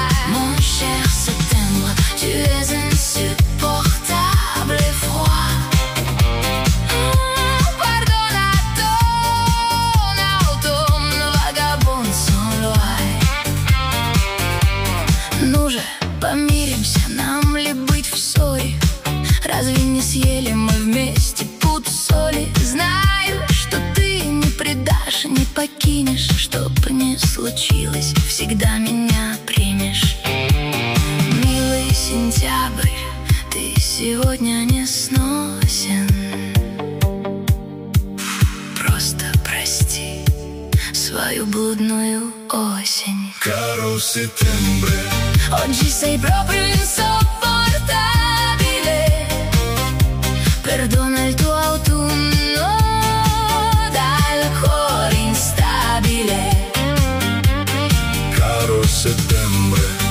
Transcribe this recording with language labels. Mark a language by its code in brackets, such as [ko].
[fr] Mon cher septembre, tu es insupportable et froid. Pardonne à ton automne vagabond sans loi. [ru] Ну же, помиримся, нам ли быть в ссоре? Разве не съели мы вместе пуд соли? Знаю, что ты не предашь, не покинешь. Чтоб ни случилось, всегда меня примешь. Милый сентябрь, ты сегодня не сносен. Просто прости свою блудную осень. [it] Caro settembre, oggi sei proprio insopportabile. Perdona il tuo autunno dal cuore instabile. Caro settembre,